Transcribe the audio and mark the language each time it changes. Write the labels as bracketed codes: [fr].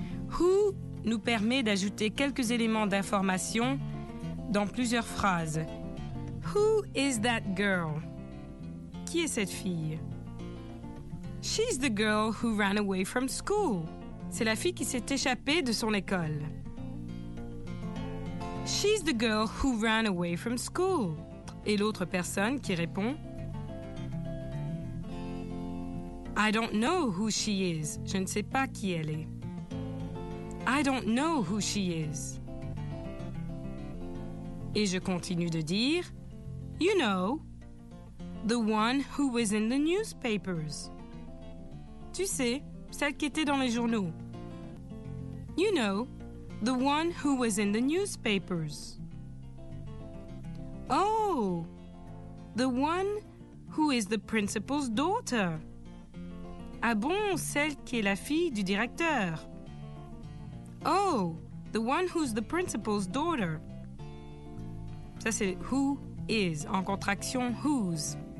[fr] Who nous permet d'ajouter quelques éléments d'information dans plusieurs phrases. [en] Who is that girl? [fr] Qui est cette fille? [en] She's the girl who ran away from school. [fr] C'est la fille qui s'est échappée de son école. [en] She's the girl who ran away from school. [fr] Et l'autre personne qui répond [en] I don't know who she is. [fr] Je ne sais pas qui elle est. [en] I don't know who she is. [fr] Et je continue de dire [en] You know, the one who was in the newspapers. [fr] Tu sais, celle qui était dans les journaux. [en] You know, the one who was in the newspapers. Oh, the one who is the principal's daughter. [fr] Ah bon, celle qui est la fille du directeur. [en] Oh, the one who's the principal's daughter. [fr] Ça, c'est [en] who is, [fr] en contraction [en] whose.